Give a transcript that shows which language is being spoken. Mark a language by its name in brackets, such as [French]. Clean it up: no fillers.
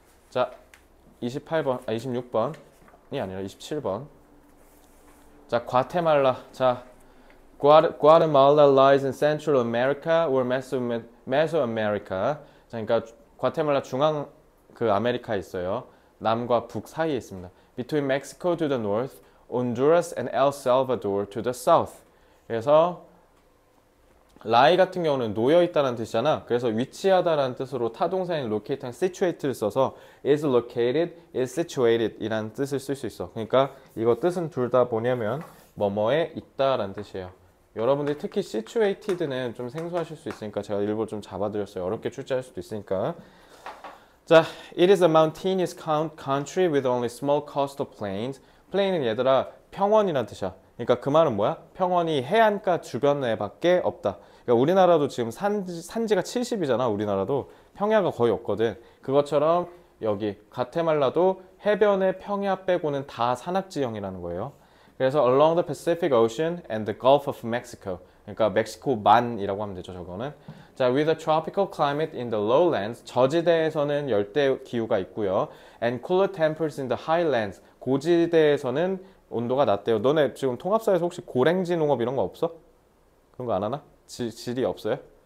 [Korean] 자, 28번, 아, 26번이 아니라 27번. 자, 과테말라. [English] 자, Guatemala lies in Central America or Mesoamerica. [Korean] 그러니까 과테말라 중앙 그 아메리카에 있어요. 남과 북 사이에 있습니다. [English] Between Mexico to the north, Honduras and El Salvador to the south. [Korean] 그래서 lie 같은 경우는 놓여 있다는 뜻이잖아. 그래서 위치하다라는 뜻으로 타동사인 locate랑 situate를 써서 [English] is located, is situated [Korean] 이란 뜻을 쓸수 있어. 그러니까 이거 뜻은 둘다 뭐냐면 뭐뭐에 있다라는 뜻이에요. 여러분들이 특히 situated는 좀 생소하실 수 있으니까 제가 일부러 좀 잡아드렸어요. 어렵게 출제할 수도 있으니까. [English] 자, it is a mountainous country with only small coastal plains. [Korean] Plain은 얘들아 평원이란 뜻이야. 그러니까 그 말은 뭐야? 평원이 해안가 주변에 밖에 없다. 그러니까 우리나라도 지금 산지가 70이잖아. 우리나라도 평야가 거의 없거든. 그것처럼 여기 과테말라도 해변의 평야 빼고는 다 산악지형이라는 거예요. [English] 그래서 along the Pacific Ocean and the Gulf of Mexico. [Korean] 그러니까 멕시코만이라고 하면 되죠, 저거는. [English] 자, with a tropical climate in the lowlands, [Korean] 저지대에서는 열대 기후가 있고요. [English] And cooler temperatures in the highlands, [Korean] 고지대에서는 온도가 낮대요. 너네 지금 통합사에서 혹시 고랭지 농업 이런 거 없어? 그런 거안 하나? 지리 없어요?